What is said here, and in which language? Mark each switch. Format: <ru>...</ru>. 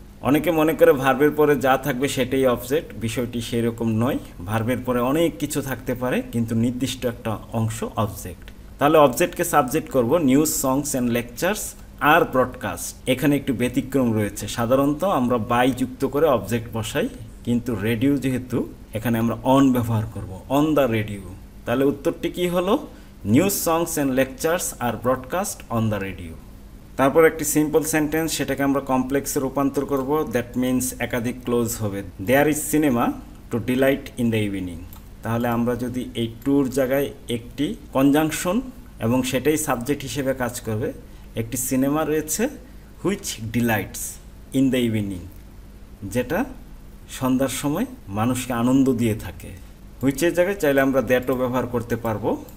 <bn>অনেকে মনে করে ভার্বের পরে যা থাকবে সেটাই অবজেক্ট, বিষয়টি সেই রকম নয়, ভার্বের পরে অনেক কিছু থাকতে পারে কিন্তু নির্দিষ্ট একটা অংশ অবজেক্ট, তাহলে অবজেক্টকে সাবজেক্ট করব,</bn> <en>news, songs and lectures</en> <bn>আর broadcast, এখানে একটু ব্যতিক্রম রয়েছে, সাধারণত আমরা বাই যুক্ত করে অবজেক্ট বসাই, কিন্তু রেডিও যেহেতু এখানে আমরা অন ব্যবহার করব,</bn> <en>on the radio,</en> <bn>তাহলে উত্তরটি কি হলো,</bn> <en>News songs and lectures are broadcast on the radio.</en> <bn>তারপর একটি সিম্পল সেন্টেন্স সেটাকে আমরা কমপ্লেক্সে রূপান্তর করব, দ্যাট মিন্স একাধিক ক্লোজ হবে।</bn> <en>There is cinema to delight in the evening.</en> <bn>তাহলে আমরা যদি এই টুর জায়গায় একটি কনজাংশন এবং সেটাই সাবজেক্ট হিসেবে কাজ করবে, একটি সিনেমা রয়েছে</bn> <en>which delights in the evening,</en> <bn>যেটা সন্ধ্যার সময় মানুষকে আনন্দ দিয়ে থাকে, হুইচের জায়গায় চাইলে আমরা দ্যাটও ব্যবহার করতে পারবো।</bn>